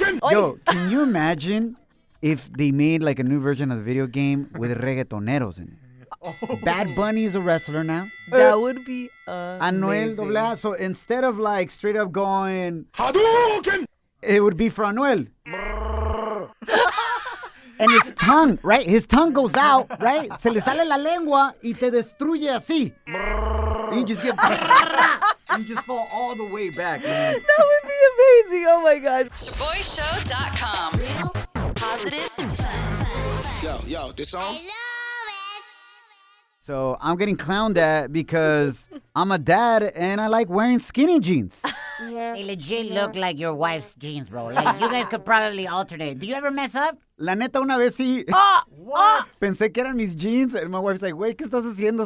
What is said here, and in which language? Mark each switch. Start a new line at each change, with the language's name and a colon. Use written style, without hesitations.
English: Yo, can you imagine if they made like a new version of the video game with reggaetoneros in it? Bad Bunny is a wrestler now. That would be amazing. Anuel AA. So instead of like straight up going Hadouken, it would be for Anuel. And his tongue, right? His tongue goes out, right?
Spanish: Se le sale la lengua y te destruye así.
English: You just get you just fall all the way back, man. That would be amazing. Oh my God. Shaboyshow.com. Positive. Yo, this song. So I'm getting clowned at because I'm a dad and I like wearing skinny jeans. Yeah. They legit look like your wife's jeans, bro. Like, you guys could probably alternate. Do you ever mess up?
Spanish: La neta, una vez sí.
English: What?
Spanish: Pensé que eran mis jeans
English: and my wife's like, wait,
Spanish: ¿qué estás haciendo?